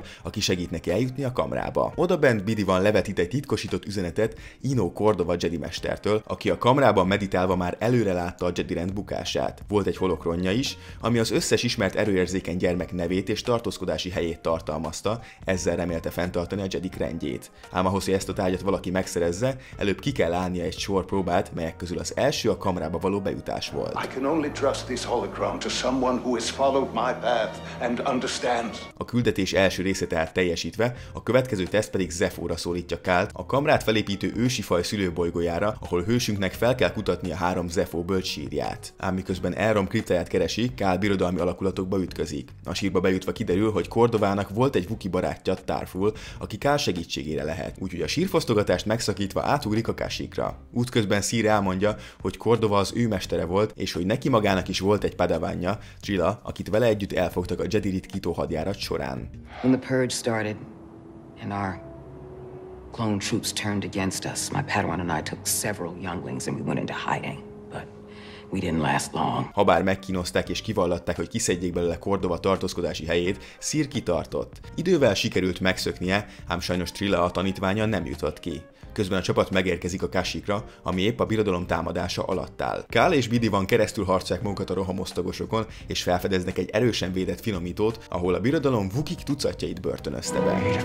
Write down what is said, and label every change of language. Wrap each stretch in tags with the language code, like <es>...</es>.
<hu>Aki segít neki eljutni a kamrába. Odabent BD-1 levetít egy titkosított üzenetet Ino Cordova Jedi mestertől, aki a kamrában meditálva már előre látta a Jedi rend bukását. Volt egy holokronja is, ami az összes ismert erőérzékeny gyermek nevét és tartózkodási helyét tartalmazta, ezzel remélte fenntartani a Jedi rendjét. Ám ahhoz, hogy ezt a tárgyat valaki megszerezze, előbb ki kell állnia egy sor próbát, melyek közül az első a kamrába való bejutás volt.</hu> <en>I can only trust this hologram to someone who has followed my path and understands.</en> <hu>A küldetés első részét tehát teljesítve, a következő teszt pedig Zephóra szólítja Calt, a kamrát felépítő ősi faj szülőbolygójára, ahol hősünknek fel kell kutatni a három Zephó bölcs sírját. Ám miközben Elrom kriptáját keresi, Calt birodalmi alakulatokba ütközik. A sírba bejutva kiderül, hogy Cordovának volt egy Wookie barátja, Tarful, aki Calt segítségére lehet. Úgyhogy a sírfosztogatást megszakítva átugrik a Kashyykra. Útközben Seer elmondja, hogy Cordova az ő mestere volt, és hogy neki magának is volt egy padawanja, Trilla, akit vele együtt elfogtak a Jedi ritkító hadjárat során.</hu> <en>When the purge started and our clone troops turned against us, my Padawan and I took several younglings and we went into hiding. We didn't last long.</en> <hu>Habár megkínozták és kivallatták, hogy kiszedjék belőle Cordova tartózkodási helyét, Seer kitartott. Idővel sikerült megszöknie, ám sajnos Trilla a tanítványa nem jutott ki. Közben a csapat megérkezik a Kashyykra, ami épp a birodalom támadása alatt áll. Cal és BD-1 keresztül harcolják magukat a rohamosztagosokon, és felfedeznek egy erősen védett finomítót, ahol a birodalom Wookiee tucatjait börtönözte be.</hu>